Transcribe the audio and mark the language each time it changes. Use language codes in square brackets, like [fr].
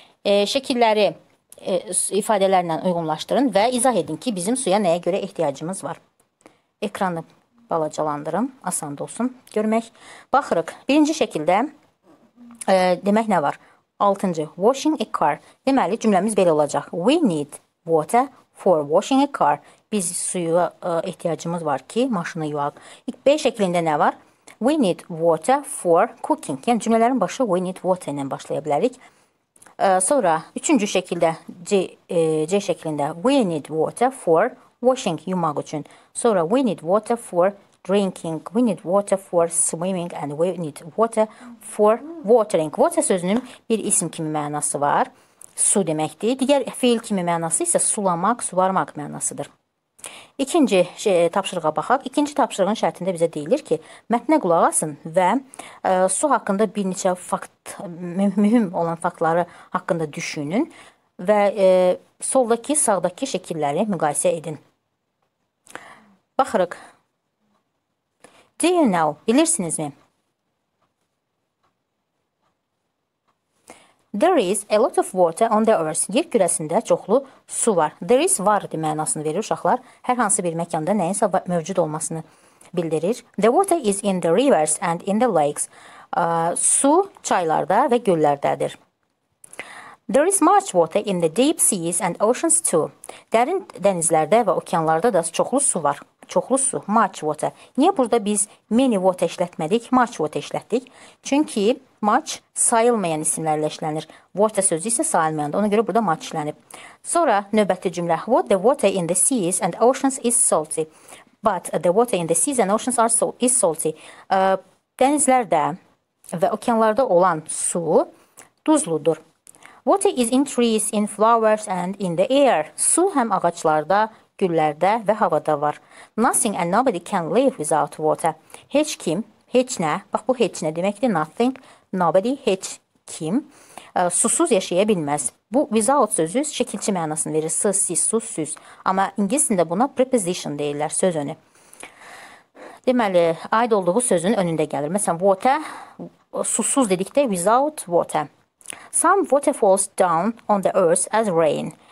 [az] Şəkilləri ifadələrlə uyğunlaşdırın və izah edin ki, bizim suya nəyə görə ehtiyacımız var. Ekranı balacalandırım, asan da olsun görmək. Baxırıq, birinci şəkildə demək nə var? Altıncı, [en] washing a car. [az] Deməli, cümləmiz belə olacaq. [en] We need water for washing a car. [az] Biz suya ehtiyacımız var ki, maşını yuvaq. B şəklində nə var? [en] We need water for cooking. [az] Yəni, cümlələrin başı [en] we need water [az] ilə başlaya bilərik. Sonra üçüncü şəkildə C şəklində [en] we need water for washing [az] yumaq üçün. Sonra [en] we need water for drinking, we need water for swimming and we need water for watering. [az] Water sözünün bir isim kimi mənası var. Su deməkdir. Digər fiil kimi mənası isə sulamaq, suvarmaq mənasıdır. İkinci tapşırığa baxaq. İkinci tapşırığın şərtində bizə deyilir ki, mətnə qulaq asın və su haqqında bir neçə fakt, mühüm olan faktları haqqında düşünün və soldakı, sağdakı şəkilləri müqayisə edin. Baxırıq. [en] Do you know? [az] Bilirsiniz mi? [en] There is a lot of water on the earth. [az] Yer kürəsində çoxlu su var. There is vardır mənasını verir uşaqlar. Hər hansı bir məkanda nəyinsə mövcud olmasını bildirir. [en] The water is in the rivers and in the lakes. [az] Su çaylarda və göllərdədir. [en] There is much water in the deep seas and oceans too. [az] Dərin dənizlərdə və okeanlarda da çoxlu su var. Çoxlu su, much water. Niyə burada biz many water işlətmədik, much water işlətdik? Çünki much sayılmayan isimlərlə işlənir. Water sözü isə sayılmayandır. Ona görə burada much işlənib. Sonra növbəti cümlə. [en] What the water in the seas and oceans is salty. But the water in the seas and oceans are is salty. [az] Dənizlərdə və okeanlarda olan su duzludur. [en] Water is in trees, in flowers and in the air. [az] Su həm ağaclarda, güllərdə və havada var. [en] Nothing and nobody can live without water. [az] Heç kim, heç nə, bax bu heç nə deməkdir, nothing, nobody, heç kim susuz yaşaya bilməz. Bu without sözü şəkilçi mənasını verir, sız, siz, susuz. Amma ingilisində buna preposition deyirlər, söz önü. Deməli, aid olduğu sözün önündə gəlir. Məsələn, water, susuz dedikdə without water. [en] Some water falls down on the earth as rain.